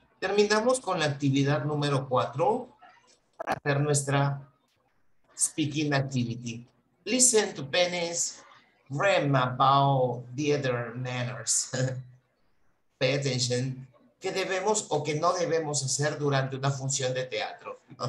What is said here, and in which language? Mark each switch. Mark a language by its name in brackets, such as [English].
[Spanish] Terminamos con la actividad número 4 para hacer nuestra [English] speaking activity. Listen to Penny's rhyme about the other manners. Pay attention. [Spanish] ¿Qué debemos o qué no debemos hacer durante una función de teatro?